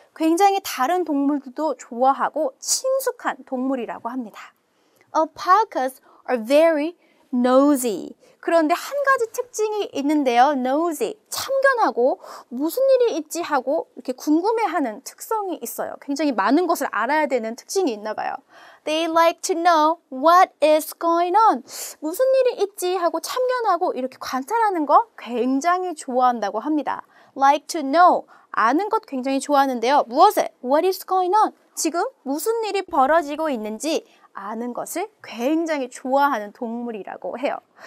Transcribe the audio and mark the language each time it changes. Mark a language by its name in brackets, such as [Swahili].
[Korean] 굉장히 다른 동물들도 좋아하고 친숙한 동물이라고 합니다. [English] Alpacas are very nosy. [Korean] 그런데 한 가지 특징이 있는데요. Nosy, 참견하고 무슨 일이 있지 하고 이렇게 궁금해하는 특성이 있어요. 굉장히 많은 것을 알아야 되는 특징이 있나 봐요. [English] They like to know what is going on. [Korean] 무슨 일이 있지 하고 참견하고 이렇게 관찰하는 거 굉장히 좋아한다고 합니다. [English] Like to know, [Korean] 아는 것 굉장히 좋아하는데요. 무엇을? [English] What is going on? [Korean] 지금 무슨 일이 벌어지고 있는지 아는 것을 굉장히 좋아하는 동물이라고 해요.